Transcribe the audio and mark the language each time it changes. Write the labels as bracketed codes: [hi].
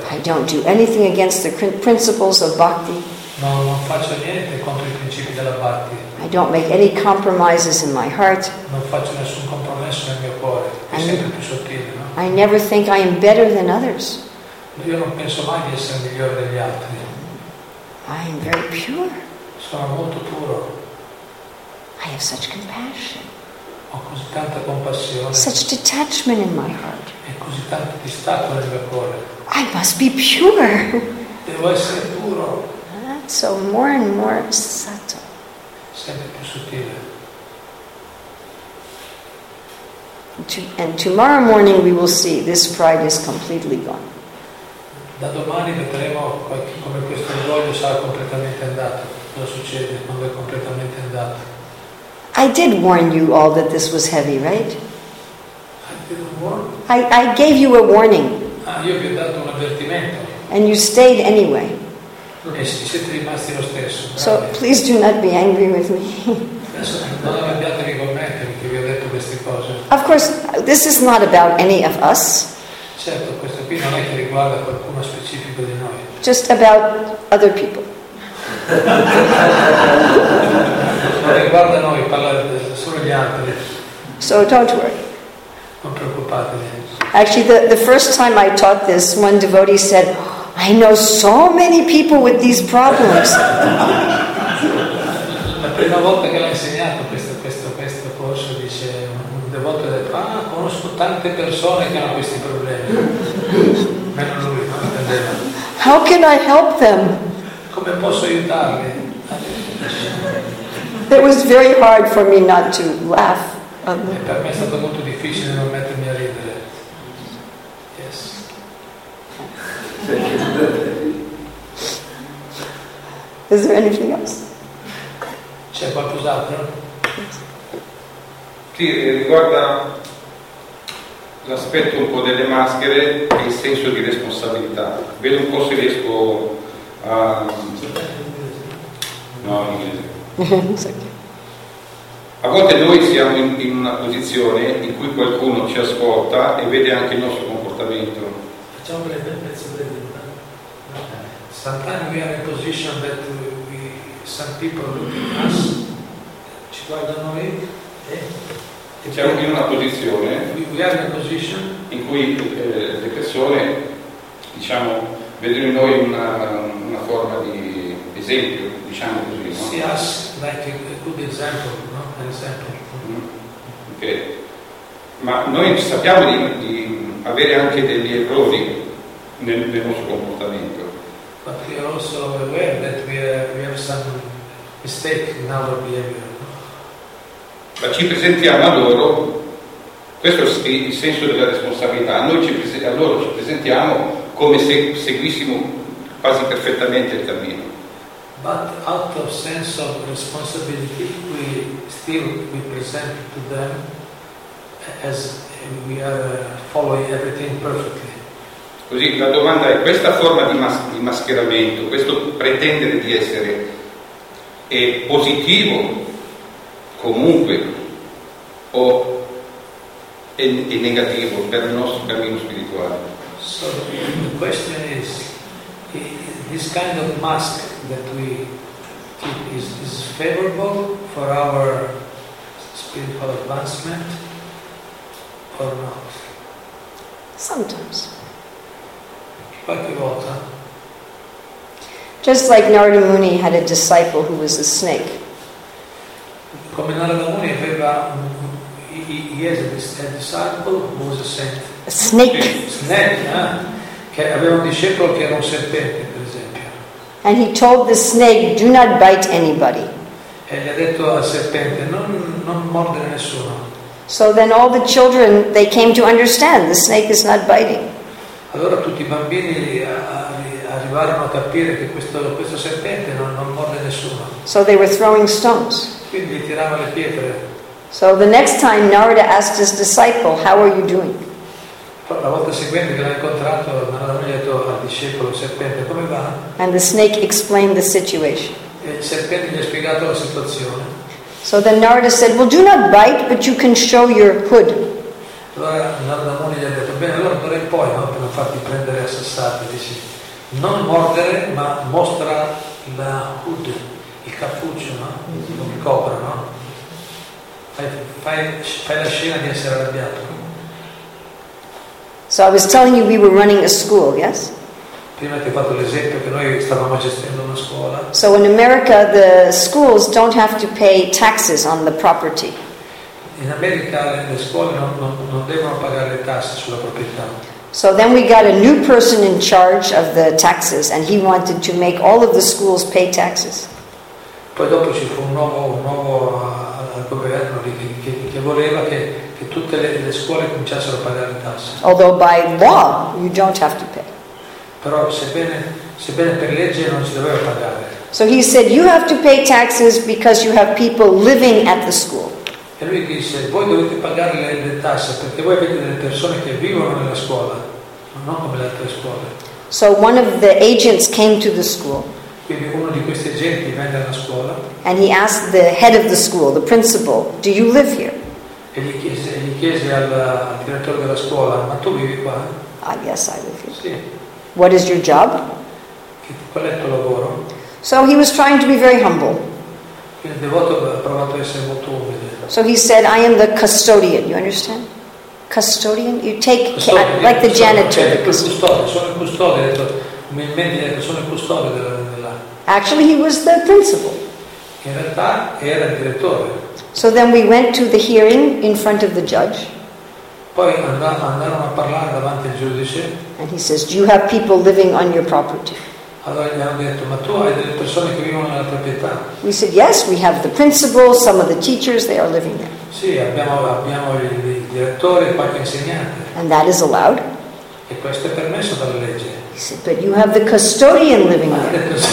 [en] I don't do anything against the principles of bhakti. [it] Non faccio niente contro i principi della bhakti. [en] I don't make any compromises in my heart. [it] Non faccio nessun compromesso nel mio cuore. Sempre più sottile, no? [en] I never think I am better than others. [it] Io non penso mai di essere migliore degli altri. [en] I am very pure. [it] Sono molto puro. [en] I have such compassion. [it] Ho così tanta compassione. [en] Such detachment in my heart. [it] E così tanto distacco nel mio cuore. [en] I must be pure. [it] Devo essere puro. [en] So more and more subtle. [it] Sempre più sottile. [en] And tomorrow morning we will see this pride is completely gone. [it] Da domani vedremo come questo orgoglio sarà completamente andato. Cosa succede quando è completamente andato? [en] I did warn you all that this was heavy, right? I gave you a warning. [it] Ah, io vi ho dato un avvertimento. [en] And you stayed anyway. [it] E siete rimasti lo stesso. [en] So please do not be angry with me. [it] Non arrabbiatevi con me perché vi ho detto queste cose. [en] Of course, this is not about any of us. [it] Certo, questo qui non è che riguarda qualcuno specifico di noi. [en] Just about other people. [it] Riguarda noi, parla solo gli altri. [en] So don't worry. [it] Non preoccupatevi. [en] Actually, the first time I taught this, one devotee said, I know so many people with these problems. [it] La prima volta che l'ho insegnato questo corso, dice un devoto, ha detto, ah, conosco tante persone che hanno questi problemi. Meno lui, non intendeva. [en] How can I help them? [it] Come posso aiutarli? [en] It was very hard for me not to laugh. [it] Per me è stato molto difficile non mettermi a ridere. [en] Yes. Is there anything else? [it] C'è qualcos'altro? Sì, riguarda l'aspetto un po' delle maschere e il senso di responsabilità. Vedo un po' se riesco a... No, in inglese. A volte noi siamo in una posizione in cui qualcuno ci ascolta e vede anche il nostro comportamento. Facciamo un bel pezzo breve. [en] Sometimes we are in a position that we, some people look at us, [it] ci guardano noi e siamo in una posizione. [en] We are in a position [it] in cui le persone, diciamo, vedono in noi una forma di esempio, diciamo così. No? [en] See us like a good example. Esempio. [it] Ok, ma noi sappiamo di avere anche degli errori nel nostro comportamento. [en] But we are also aware that we have some mistake in our behavior. [it] Ma ci presentiamo a loro, questo è il senso della responsabilità. A loro ci presentiamo come se seguissimo quasi perfettamente il cammino. [en] But out of sense of responsibility, we still present to them as we are following everything perfectly. [it] Così la domanda è: questa forma di mascheramento, questo pretendere di essere, è positivo comunque o è negativo per il nostro cammino spirituale? [en] So the question is: this kind of mask that we keep is favorable for our spiritual advancement or not? Sometimes. [it] Qualche volta. [en] Just like Narada Muni had a disciple who was a snake. [it] Come Narada Muni aveva, [en] he has a disciple who was a saint. A snake. [it] Snake, eh? Che aveva un discepolo che era un serpente, per esempio. [en] And he told the snake, "Do not bite anybody." [it] E gli ha detto al serpente, non mordere nessuno. [en] So then all the children, they came to understand the snake is not biting. [it] Allora tutti i bambini arrivarono a capire che questo serpente non morde nessuno. [en] So they were throwing stones. [it] Quindi tiravano le pietre. [en] So the next time Narada asked his disciple, "How are you doing?" [it] La volta seguente che l'ha incontrato, Narada gli ha detto al discepolo, serpente, come va? [en] And the snake explained the situation. [it] E il serpente gli ha spiegato la situazione. [en] So then Narada said, "Well, do not bite, but you can show your hood." [it] Allora Narada Muni gli ha detto, bene, allora pure poi, no? Per non farti prendere a sassate, dice, non mordere, ma mostra la hood, il cappuccio, no? Non mi copre, no? Fai la scena di essere arrabbiato. [en] So I was telling you we were running a school, yes? [it] Prima ti ho fatto l'esempio che noi stavamo gestendo una scuola. [en] So in America the schools don't have to pay taxes on the property. [it] In America le scuole non devono pagare le tasse sulla proprietà. [en] So then we got a new person in charge of the taxes and he wanted to make all of the schools pay taxes. [it] Poi dopo ci fu un nuovo governo che voleva che tutte le scuole cominciassero a pagare le tasse. [en] Although by law you don't have to pay. [it] Però sebbene per legge non si doveva pagare. [en] So he said, "You have to pay taxes because you have people living at the school." [it] E lui disse, "Voi dovete pagare le tasse perché voi avete delle persone che vivono nella scuola, non come le altre scuole." [en] So one of the agents came to the school. [it] Quindi uno di questi agenti venne alla scuola. [en] And he asked the head of the school, the principal, "Do you live here?" [it] E gli chiese al direttore della scuola, "Ma tu vivi qua?" [en] "Ah, yes, I live here." [it] Sì. [en] "What is your job?" [it] Qual è il tuo lavoro? [en] So he was trying to be very humble. [it] Il devoto ha provato a essere molto umile. [en] So he said, "I am the custodian." You understand? Custodian? You take custodian, like the janitor. [it] Sono il custode. Sono il custode. Umilmente, sono il custode della. [en] Actually, he was the principal. [it] In realtà era il direttore. [en] So then we went to the hearing in front of the judge. [it] Poi andarono a parlare davanti al giudice. [en] And he says, "Do you have people living on your property?" [it] Allora gli hanno detto, "Ma tu hai delle persone che vivono nella proprietà?" [en] We said, "Yes, we have the principal, some of the teachers, they are living there." [it] Sì, abbiamo il direttore e qualche insegnante. [en] And that is allowed. [it] E questo è permesso dalla legge. [en] He said, "But you have the custodian living there."